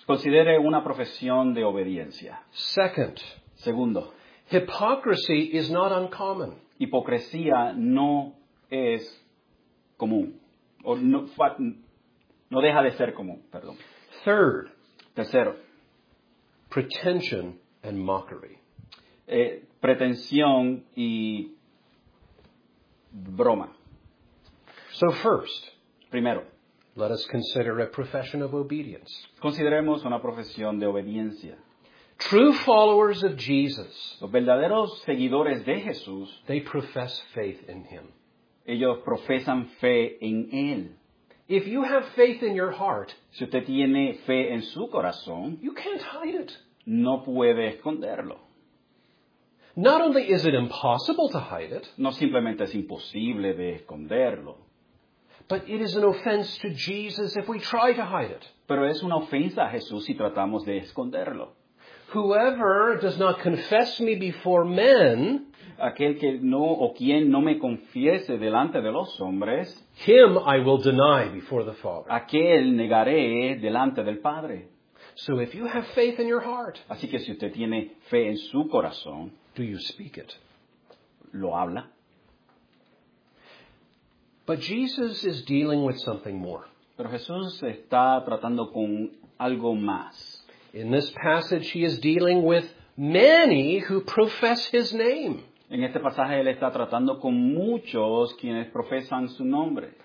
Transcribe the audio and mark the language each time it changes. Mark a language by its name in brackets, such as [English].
[Spanish] Considere una profesión de obediencia. [English] Second. [Spanish] Segundo. [English] Hypocrisy is not uncommon. [Spanish] Hipocresía no es común. No deja de ser común, perdón. [English] Third. [Spanish] Tercero. [English] Pretension and mockery. [Spanish] Pretensión y broma. [English] So first. [Spanish] Primero. [English] Let us consider a profession of obedience. [Spanish] Consideremos una profesión de obediencia. [English] True followers of Jesus. [Spanish] Los verdaderos seguidores de Jesús. [English] They profess faith in him. [Spanish] Ellos profesan fe en él. [English] If you have faith in your heart. [Spanish] Si usted tiene fe en su corazón. [English] You can't hide it. [Spanish] No puede esconderlo. [English] Not only is it impossible to hide it. [Spanish] No simplemente es imposible de esconderlo. [English] But it is an offense to Jesus if we try to hide it. [Spanish] Pero es una ofensa a Jesús si tratamos de esconderlo. [English] Whoever does not confess me before men, [Spanish] aquel que no o quien no me confiese delante de los hombres, [English] him I will deny before the Father. [Spanish] Aquel negaré delante del Padre. [English] So if you have faith in your heart, [Spanish] así que si usted tiene fe en su corazón, [English] do you speak it? [Spanish] Lo habla. [English] But Jesus is dealing with something more. [Spanish] Pero Jesús está tratando con algo más. [English] In this passage, he is dealing with many who profess his name. [Spanish] En este pasaje él está tratando con muchos quienes profesan su nombre.